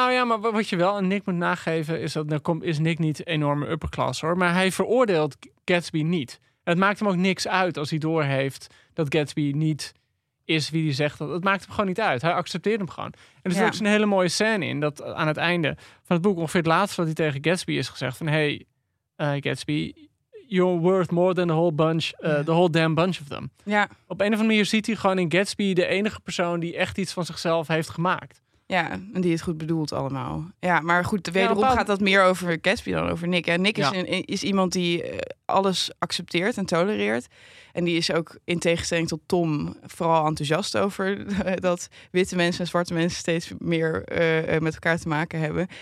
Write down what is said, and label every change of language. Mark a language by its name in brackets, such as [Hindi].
[Dutch] Nou ja, maar wat je wel aan Nick moet nageven... is dat is Nick niet enorme upperclass, hoor. Maar hij veroordeelt Gatsby niet. Het maakt hem ook niks uit als hij doorheeft... dat Gatsby niet is wie hij zegt. Het maakt hem gewoon niet uit. Hij accepteert hem gewoon. En er zit ook zo'n hele mooie scène in... dat aan het einde van het boek ongeveer het laatste... wat hij tegen Gatsby is gezegd. Van, hey, Gatsby... [English] You're worth more than the whole bunch, the whole damn bunch of them. [Dutch] Ja. Op een of andere manier ziet hij gewoon in Gatsby de enige persoon die echt iets van zichzelf heeft gemaakt. Ja, en die het goed bedoelt allemaal. Ja, maar goed, wederom gaat dat meer over Gatsby dan over Nick. Hè? Nick is iemand die alles accepteert en tolereert. En die is ook in tegenstelling tot Tom vooral enthousiast over dat witte mensen en zwarte mensen steeds meer met elkaar te maken hebben.